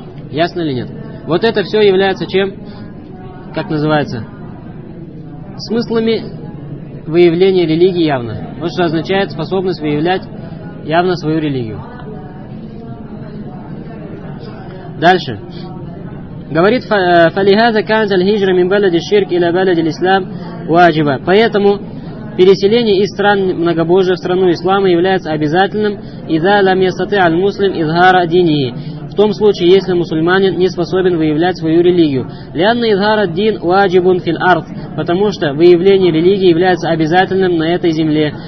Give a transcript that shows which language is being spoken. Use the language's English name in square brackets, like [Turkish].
[Russian] Ясно или нет? Вот это все является чем? Как называется? Смыслами выявления религии явно. Вот что означает способность выявлять явно свою религию. Дальше. [Arabic] Говорит, فَلِهَذَا كَانْتَ الْهِجْرَ مِنْ بَلَدِ الشِّرْكِ إِلَى بَلَدِ الْإِسْلَامِ وَاجِبًا. [Russian] Поэтому переселение из стран многобожия в страну ислама является обязательным [Arabic] إِذَا لَمْ يَسْتَطِعَ الْمُسْلِمْ إِذْهَارَ دِينِهِ. [Russian] В том случае, если мусульманин не способен выявлять свою религию. [Arabic] لِأَنَّ إِذْهَارَ الدِّينِ وَاجِبٌ فِي الْأَرْضِ. [Russian] Потому что выявление религии является обязательным на этой земле.